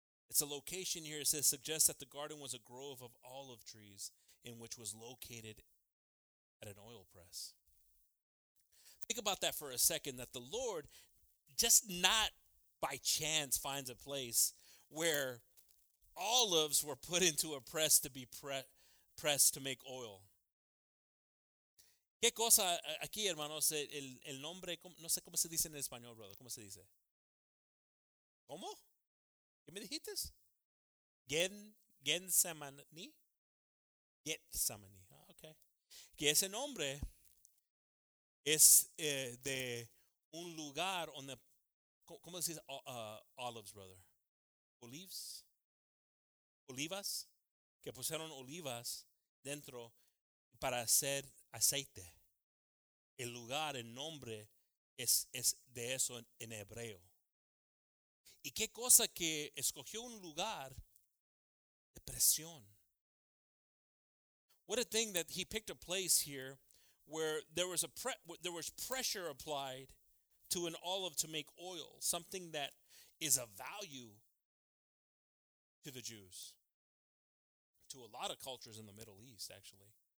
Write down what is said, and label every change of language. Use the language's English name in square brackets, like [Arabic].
[English] It's a location here. It says, suggests that the garden was a grove of olive trees in which was located at an oil press. Think about that for a second, that the Lord just not by chance finds a place where olives were put into a press to be pressed to make oil. [Spanish] ¿Qué cosa aquí, hermanos, el nombre, no sé cómo se dice en español, brother, cómo se dice? ¿Cómo? ¿Qué me dijiste? Gethsemane? Getsemaní. Okay. Que ese nombre es de un lugar donde, ¿cómo se dice olives, brother? Olives? Olivas? Que pusieron olivas dentro para hacer aceite. El lugar, el nombre, es de eso en hebreo. ¿Y qué cosa que escogió un lugar de presión? [English] What a thing that he picked a place here where there was pressure applied to an olive to make oil, something that is of value to the Jews, to a lot of cultures in the Middle East, actually.